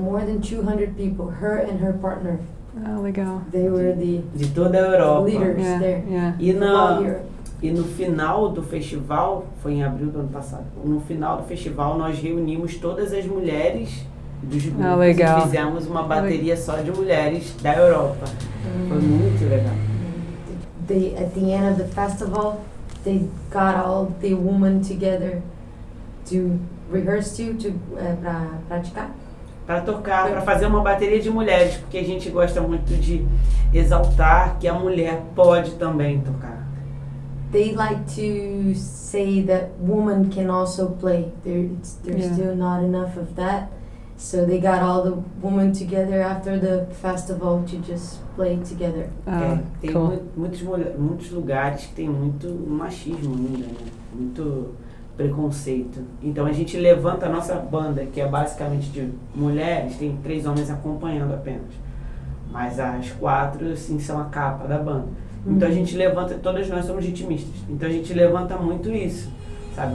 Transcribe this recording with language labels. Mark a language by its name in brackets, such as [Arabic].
[English] More than 200 people, her and her partner. [Portuguese] Oh, legal. [English] They were the [Portuguese] de toda a Europa. [English] Leaders, yeah, there. Yeah. [Portuguese] E na... E no final do festival, foi em abril do ano passado, no final do festival nós reunimos todas as mulheres dos grupos. Ah, legal. E fizemos uma bateria só de mulheres da Europa. Foi muito legal. [English] They, at the end of the festival, they got all the women together to rehearse to [Portuguese] para praticar. Para tocar, para fazer uma bateria de mulheres, porque a gente gosta muito de exaltar que a mulher pode também tocar. [English] They like to say that women can also play. There's still not enough of that. So they got all the women together after the festival to just play together. [Portuguese] Tem [English] cool. [Portuguese] muitos lugares que tem muito machismo ainda, né? Muito preconceito. Então a gente levanta a nossa banda, que é basicamente de mulheres, tem três homens acompanhando apenas. Mas as quatro, assim, são a capa da banda. Então a gente levanta, todas nós somos ritmistas, então a gente levanta muito isso, sabe?